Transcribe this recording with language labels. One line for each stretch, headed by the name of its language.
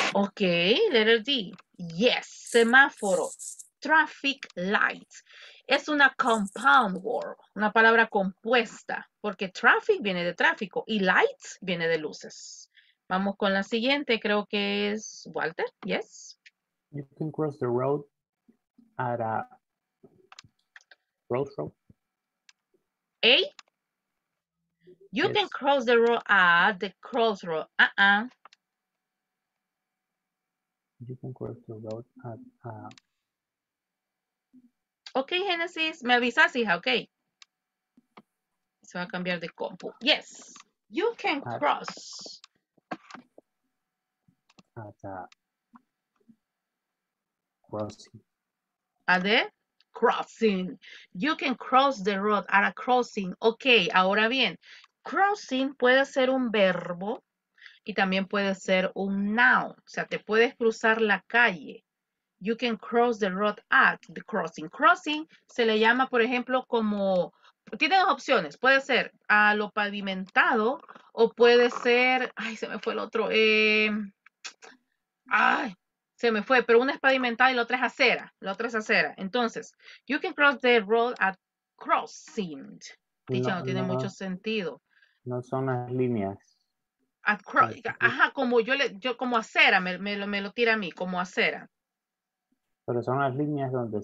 English: Ok, letter D. Yes, semáforo. Traffic lights.
Spanish: Es una compound word, una palabra compuesta, porque traffic viene de tráfico y lights viene de luces. Vamos con la siguiente, creo que es Walter.
English: Yes. You can cross the road at a crossroad. A? You can cross the road at the crossroad. You can cross the road at
Spanish: Okay, Genesis, me avisas, hija, okay. Se va a cambiar de compu.
English: Yes, you can cross. At a crossing. At the crossing. You can cross the road at a crossing. Okay,
Spanish: ahora bien. crossing puede ser un verbo y también puede ser un noun. O sea, te puedes cruzar la calle.
English: You can cross the road at the crossing.
Spanish: Crossing se le llama, por ejemplo, como... Tiene dos opciones. Puede ser a lo pavimentado o puede ser... Ay, se me fue el otro. Ay, se me fue. Pero una es pavimentada y la otra es acera. La otra es acera.
English: Entonces, you can cross the road at crossing.
Spanish: Dicha no, no tiene mucho sentido. No son las líneas. At cross, ajá, como yo, yo como acera, me lo tira a mí, como acera. Pero son las líneas donde